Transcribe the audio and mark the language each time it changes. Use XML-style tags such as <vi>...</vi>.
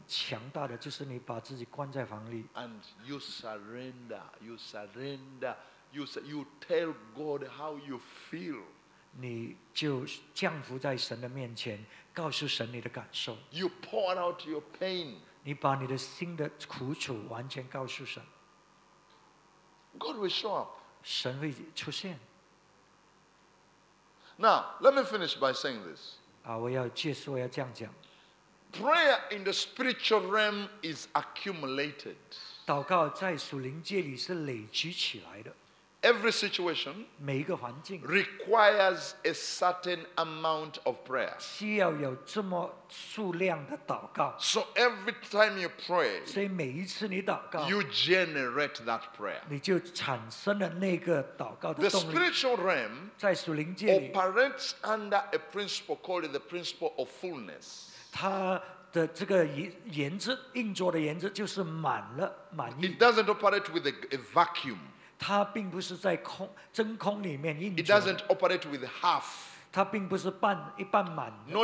<zh>没有比这个更强大的，就是你把自己关在房里。</zh> <en>And you surrender, you surrender, you tell God how you feel.</en> <zh>你就降服在神的面前，告诉神你的感受。</zh> <en>You pour out your pain.</en> <zh>你把你的心的苦楚完全告诉神。</zh> <en>God will show up.</en> <zh>神会出现。</zh> <en>Now, let me finish by saying this.</en> <zh>我要这样讲。</zh> <en>Prayer in the spiritual realm is accumulated.</en> <zh>祷告在属灵界里是累积起来的。</zh> <en>Every situation</en> <zh>每一个环境</zh> <en>requires a certain amount of prayer.</en> <zh>需要有这么数量的祷告。</zh> <en>So every time you pray,</en> <zh>所以每一次你祷告,</zh> <en>you generate that prayer.</en> <zh>你就产生了那个祷告的动力。</zh> <en>The spiritual realm</en> <zh>在属灵界里,</zh> <en>operates under a principle called the principle of fullness.</en> <zh>它的这个原则运作的原则就是满了满意。</zh> <en>It doesn't operate with a vacuum.</en> <zh>它并不是在空真空里面运作。</zh> <en>It doesn't operate with half.</en> <zh>它并不是一半满的运作。</zh>